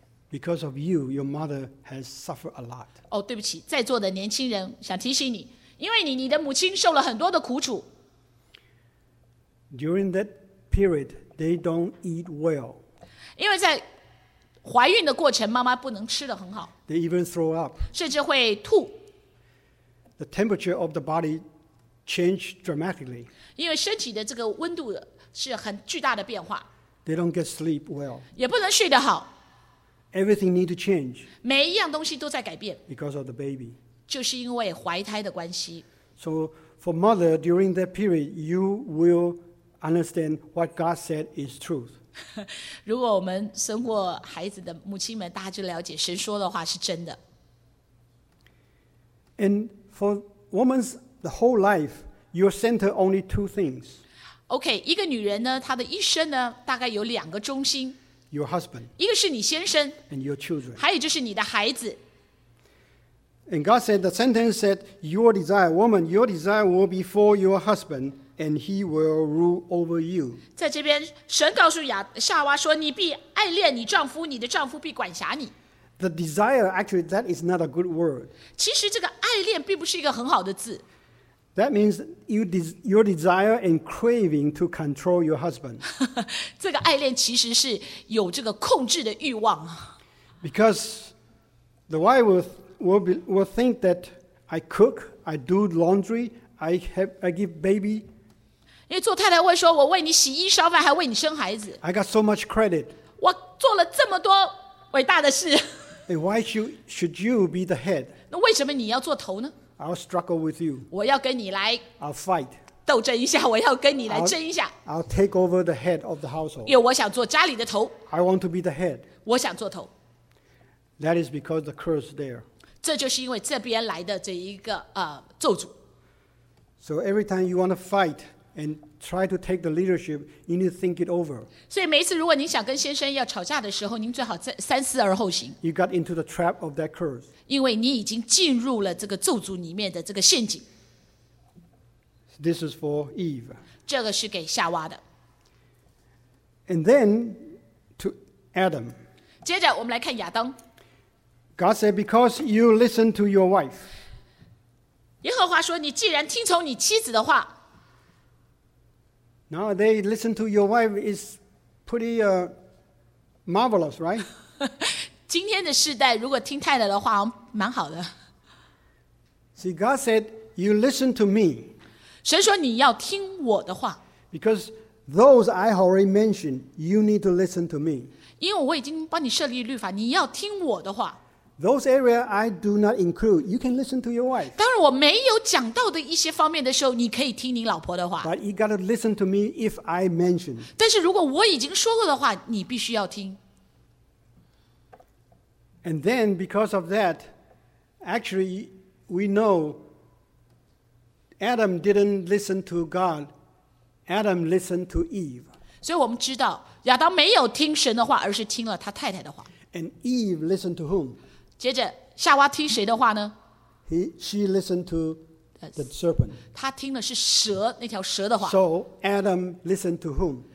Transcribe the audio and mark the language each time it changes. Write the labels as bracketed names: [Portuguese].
[English] Because of you, your mother has suffered a lot. [Chinese] 哦，对不起，在座的年轻人想提醒你，因为你的母亲受了很多的苦楚。 [English] During that period. They don't eat well. [Chinese] 因为在怀孕的过程妈妈不能吃得很好。 [English] They even throw up. [Chinese] 甚至会吐。 [English] The temperature of the body changed dramatically. [Chinese] 因为身体的这个温度是很巨大的变化。 [English] They don't get sleep well. [Chinese] 也不能睡得好。 [English] Everything needs to change. [Chinese] 每一样东西都在改变。 [English] Because of the baby. [Chinese] 就是因为怀胎的关系。 [English] So for mother, during that period, you will understand what God said is truth. [Chinese] 如果我们生过孩子的母亲们，大家就了解神说的话是真的。 [English] And for woman's the whole life, you're centered only two things. [Chinese] Okay, 一个女人呢，她的一生呢，大概有两个中心。 [English] Your husband. [Chinese] 一个是你先生。 [English] And your children. [Chinese] 还有就是你的孩子。 [English] And God said, the sentence said, your desire, woman, your desire will be for your husband, and he will rule over you. [Chinese] 在这边，神告诉夏娃说，你必爱恋你丈夫，你的丈夫必管辖你。 [English] The desire, actually, that is not a good word. [Chinese] 其实这个爱恋并不是一个很好的字。 [English] That means your desire and craving to control your husband. [Chinese] 这个爱恋其实是有这个控制的欲望。 [English] Because the wife will think that I cook, I do laundry, I give baby. [Chinese] 因为做太太会说，我为你洗衣烧饭，还为你生孩子。 [English] I got so much credit. [Chinese] 我做了这么多伟大的事。 [English] And why should you be the head? [Chinese] 那为什么你要做头呢？ [English] I'll struggle with you. [Chinese] 我要跟你来 [English] I'll fight. [Chinese] 斗争一下，我要跟你来争一下。 [English] I'll take over the head of the household. [Chinese] 因为我想做家里的头。 [English] I want to be the head. [Chinese] 我想做头。 [English] That is because the curse there. [Chinese] 这就是因为这边来的这一个咒诅。 [English] So every time you want to fight and try to take the leadership, you need to think it over. [Chinese] 所以每一次如果您想跟先生要吵架的时候，您最好三思而后行。 [English] You got into the trap of that curse. [Chinese] 因为你已经进入了这个咒诅里面的这个陷阱。 [English] This is for Eve. [Chinese] 这个是给夏娃的。 [English] And then to Adam. [Chinese] 接着我们来看亚当。 [English] God said, because you listen to your wife. [Chinese] 耶和华说，你既然听从你妻子的话。 [English] Now they listen to your wife is pretty marvelous, right? [Chinese] 今天的世代如果听太太的话蛮好的。 [English] See, God said, you listen to me. [Chinese] 神说你要听我的话。 [English] Because those I already mentioned, you need to listen to me. [Chinese] 因为我已经帮你设立律法，你要听我的话。 [English] Those areas I do not include, you can listen to your wife. [Chinese] 当然我没有讲到的一些方面的时候，你可以听你老婆的话。 [English] But you got to listen to me if I mention. [Chinese] 但是如果我已经说过的话，你必须要听。 [English] And then because of that, actually we know Adam didn't listen to God. Adam listened to Eve. [Chinese] 所以我们知道亚当没有听神的话，而是听了他太太的话。 [English] And Eve listened to whom? [Chinese] 接着夏娃听谁的话呢 [English] She listened to the serpent. [Chinese] 她听的是蛇那条蛇的话。 [English] So Adam listened to whom?